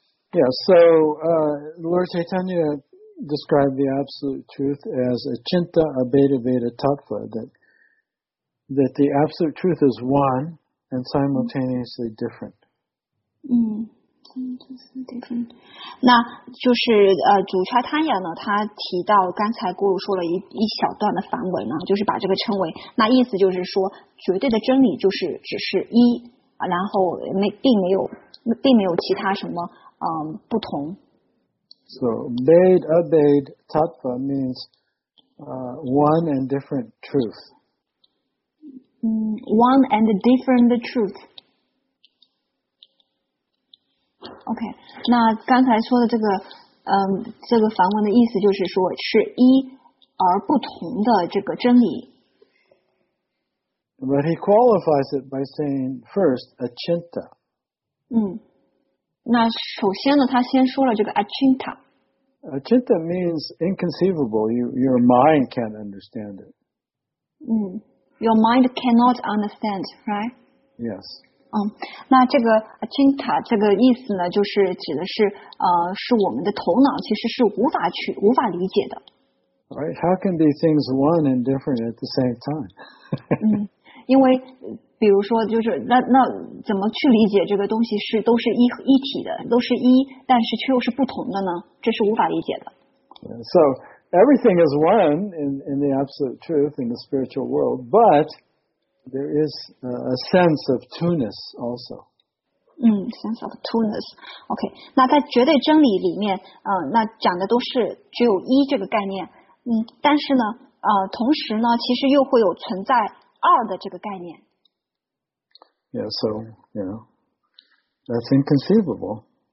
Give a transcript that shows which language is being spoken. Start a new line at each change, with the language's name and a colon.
English: Yeah, so Lord Chaitanya described the absolute truth as a chinta abheda veda tattva that the absolute truth is one and simultaneously different.
Chinese: 那就是主查塔亚呢，他提到刚才咕噜说了一小段的梵文呢，就是把这个称为，那意思就是说绝对的真理就是只是一，然后并没有其他什么不同。
English: So Ved Abed Tattva means one and different truth. One and different truth.
Chinese: OK, 那刚才说的这个这个梵文的意思就是说是一而不同的这个真理。
English: But he qualifies it by saying first, achinta.
Chinese: 那首先呢他先说了这个 achinta。
English: Achinta means inconceivable, your mind can't understand it. Your mind cannot understand, right? Yes.
Chinese: 那这个 achinta 这个意思呢，就是指的是是我们的头脑其实是无法理解的。
English: Right? How can be things one and different at the same time?
Chinese: 因为比如说就是那怎么去理解这个东西是都是一体的，都是一，但是却又是不同的呢？这是无法理解的。
English: So everything is one in the absolute truth in the spiritual world, but. There is a sense of two-ness also. Sense of two-ness.
Chinese: OK, 那在绝对真理里面那讲的都是只有一这个概念。但是呢同时呢其实又会有存在二的这个概念。
English: Yeah, so, you know, that's inconceivable.